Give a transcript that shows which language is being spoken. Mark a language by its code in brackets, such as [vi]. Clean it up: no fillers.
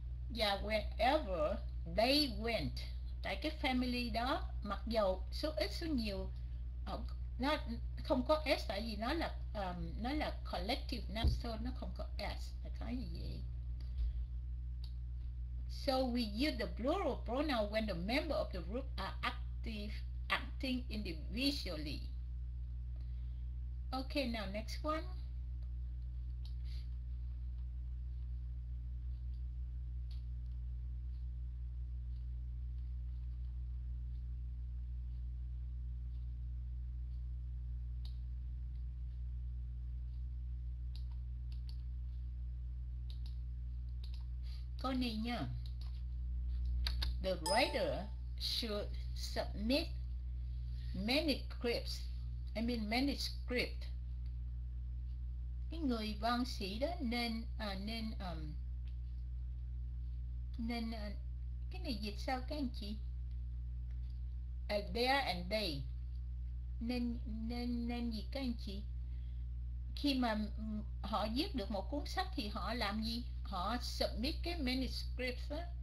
[vi] Và [en] wherever they went, [vi] tại cái family đó mặc dù số ít số nhiều nó không có s, tại vì nó là collective noun, so nó không có s, là cái gì vậy? [en] So we use the plural pronoun when the member of the group are active individually. Okay, now next one. [vi] Con này nha. [en] The writer should submit manuscripts, I mean manuscript. [vi] Cái người văn sĩ đó nên nên nên cái này dịch sao các anh chị? [en] There and they [vi] nên nên nên gì các anh chị? Khi mà họ viết được một cuốn sách thì họ làm gì? Họ submit cái manuscript đó.